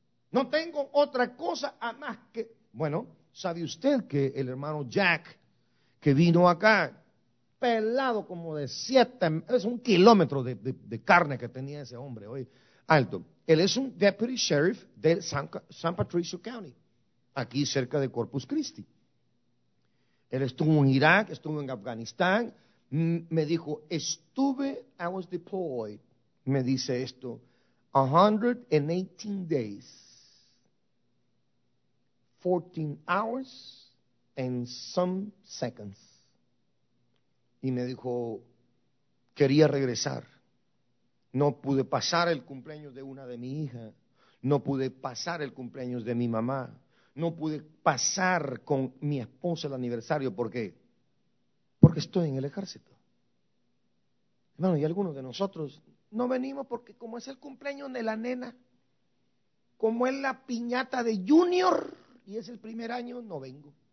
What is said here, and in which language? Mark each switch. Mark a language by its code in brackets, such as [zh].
[es] No tengo otra cosa a más que, bueno, ¿sabe usted que el hermano Jack, que vino acá, pelado como de 7, es un kilómetro de carne que tenía ese hombre hoy, alto? Él es un deputy sheriff de San Patricio County, aquí cerca de Corpus Christi. Él estuvo en Irak, estuvo en Afganistán. Me dijo, [en] I was deployed, [es] me dice esto, [en] 118 days, 14 hours and some seconds. [es] Y me dijo, quería regresar. No pude pasar el cumpleaños de una de mi hija. No pude pasar el cumpleaños de mi mamá. No pude pasar con mi esposa el aniversario. ¿Por qué? Porque estoy en el ejército. Hermano, y algunos de nosotros no venimos porque como es el cumpleaños de la nena, como es la piñata de Junior y es el primer año, no vengo.